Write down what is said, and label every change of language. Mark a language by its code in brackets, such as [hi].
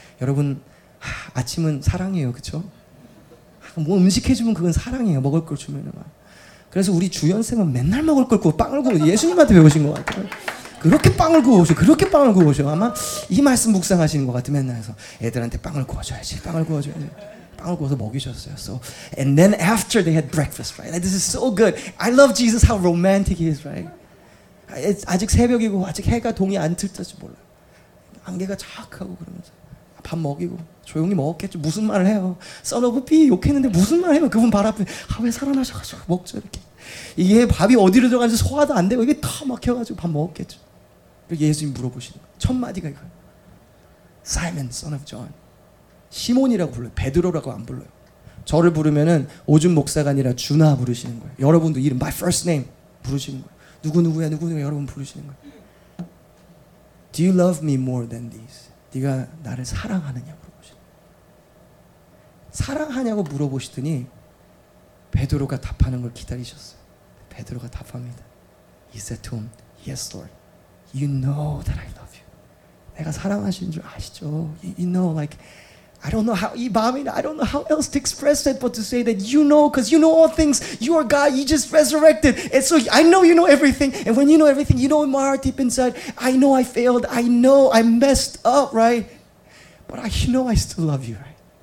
[ko] 여러분 하, 아침은 사랑이에요. 그쵸? 뭐 음식 해주면 그건 사랑이에요. 먹을 걸 주면은 막. 그래서 우리 주연쌤은 맨날 먹을 걸 구워 빵을 구워 예수님한테 배우신 것 같아요. 그렇게 빵을 구워오셔, 그렇게 빵을 구워오셔. 아마 이 말씀 묵상하시는 것 같아, 맨날 해서. 애들한테 빵을 구워줘야지, 빵을 구워줘야지. 빵을 구워서 먹이셨어요. [en] So, and then after they had breakfast, right? This is so good. I love Jesus, how romantic he is, right? [ko] It's, 아직 새벽이고, 아직 해가 동이 안 뜰지 몰라요. 안개가 착 하고 그러면서. 밥 먹이고, 조용히 먹었겠죠. 무슨 말을 해요. [en] Son of B, [ko] 욕했는데 무슨 말을 해요. 그분 발 앞에. 아, 왜 살아나셔가지고 먹죠, 이렇게. 이게 밥이 어디로 들어가는지 소화도 안 되고 이게 다 막혀가지고 밥 먹었겠죠. 그리고 예수님 물어보시는 거예요. 첫 마디가 이거예요. [en] Simon, son of John. [ko] 시몬이라고 불러요. 베드로라고 안 불러요. 저를 부르면은 오준 목사가 아니라 주나 부르시는 거예요. 여러분도 이름, [en] my first name [ko] 부르시는 거예요. 누구누구야, 누구누구야 여러분 부르시는 거예요. [en] Do you love me more than these? [ko] 네가 나를 사랑하느냐 물어보시는 거예요. 사랑하냐고 물어보시더니 베드로가 답하는 걸 기다리셨어요. 베드로가 답합니다. [en] He said to him, Yes, Lord. You know that I love you. [ko] 내가 사랑하시는 줄 아시죠? [en] You know, like, I don't know how, [ko] 이 마음이, [en] I don't know how else to express it but to say that you know, because you know all things. You are God. You just resurrected. And so I know you know everything. And when you know everything, you know in my heart deep inside, I know I failed. I know I messed up, right? But I know I still love you, right?